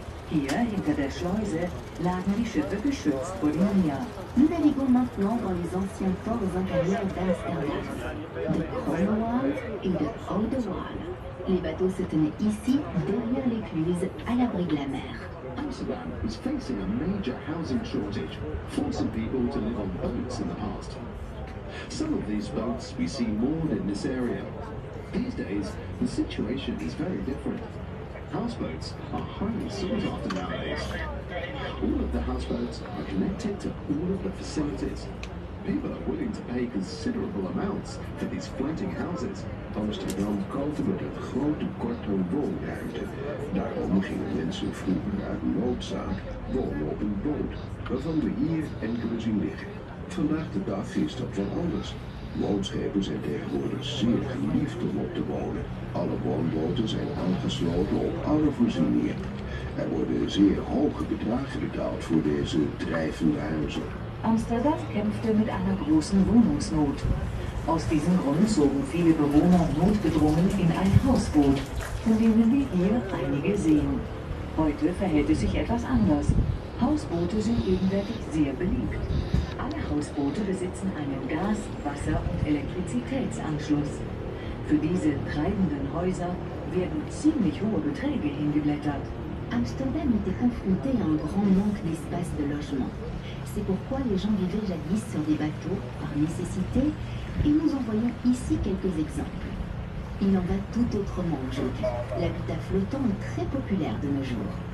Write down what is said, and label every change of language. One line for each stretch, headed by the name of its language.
German: Hier, hinter der Schleuse, lagen die Schiffe geschützt vor dem Meer.
French: Nous naviguons maintenant dans les anciens ports en canal d'Amsterdam, de Kromme Waal et de Oude Waal. Les bateaux se tenaient ici, derrière l'écluse, à l'abri de la mer.
English: Amsterdam was facing a major housing shortage, forcing people to live on boats in the past. Some of these boats we see moored in this area. These days, the situation is very different. Houseboats are highly sought after nowadays. All of the houseboats are connected to all of the facilities. People are willing to pay considerable amounts for these floating houses.
Dutch: Amsterdam kampt met een grote korte woonruimte. Daarom gingen mensen vroeger uit noodzaak wonen op een boot, waarvan we hier enkele zien liggen. Vandaag de dag is dat wel anders. Bootschepen zijn tegenwoordig zeer geliefd om op te wonen. Alle woonboten zijn aangesloten op alle voorzieningen. Er worden zeer hoge bedragen betaald voor deze drijvende huizen.
German: Amsterdam kämpfte mit einer großen Wohnungsnot. Aus diesem Grund zogen viele Bewohner notgedrungen in ein Hausboot, von denen wir hier einige sehen. Heute verhält es sich etwas anders. Hausboote sind gegenwärtig sehr beliebt. Alle Hausboote besitzen einen Gas-, Wasser- und Elektrizitätsanschluss. Für diese treibenden Häuser werden ziemlich hohe Beträge hingeblättert.
French: Amsterdam était confronté à un grand manque d'espace de logement. C'est pourquoi les gens vivaient jadis sur des bateaux par nécessité, et nous en voyons ici quelques exemples. Il en va tout autrement aujourd'hui. L'habitat flottant est très populaire de nos jours.